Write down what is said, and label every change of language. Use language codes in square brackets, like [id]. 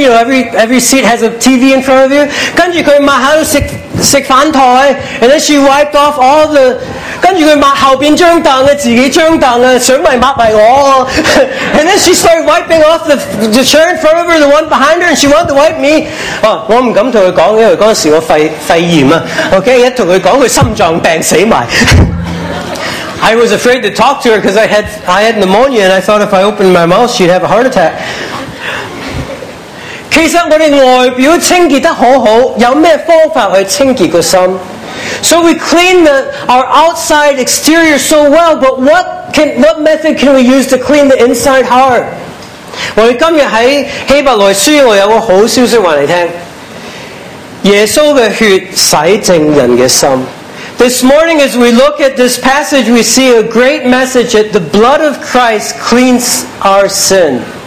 [en] You know every seat has a TV in front of you. [yue] 跟住佢抹下嗰食。食飯台 [en] ，and then she wiped off all the， [yue] 跟住佢抹後邊張凳啊，自己張凳啊，想咪抹埋我 [en] ，and then she started wiping off the chair in front of her, the one behind her, and she wanted to wipe me。 [yue] 哦，我唔敢同佢講，因為嗰陣時我肺炎啊 ，OK， 一同佢講，佢心臟病死埋。 [en] I was afraid to talk to her because I had pneumonia and I thought if I opened my mouth she'd have a heart attack。 [yue] 其实我哋外表清洁得好好，有咩方法去清洁个心？ [en] So we clean the our outside exterior so well, but what method can we use to clean the inside heart? [yue] 我哋今日喺希伯来书，我有个好消息话嚟听。耶稣嘅血洗净人嘅心。 [en] This morning, as we look at this passage, we see a great message that the blood of Christ cleans our sin.